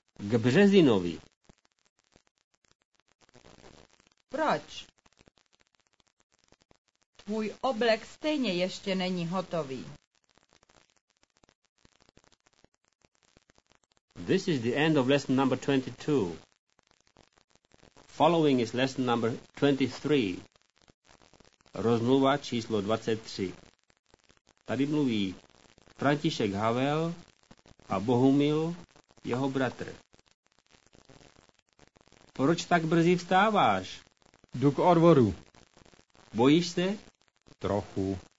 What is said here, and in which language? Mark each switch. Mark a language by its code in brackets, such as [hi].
[cs] K Březinovi. Proč? Tvůj oblek stejně ještě není hotový. [en] This is the end of lesson number 22. Following is lesson number 23. [cs] Rozmluva číslo 23. Tady mluví František Havel a Bohumil, jeho bratr. Proč tak brzy vstáváš? Jdu k odvodu. Bojíš se? Trochu.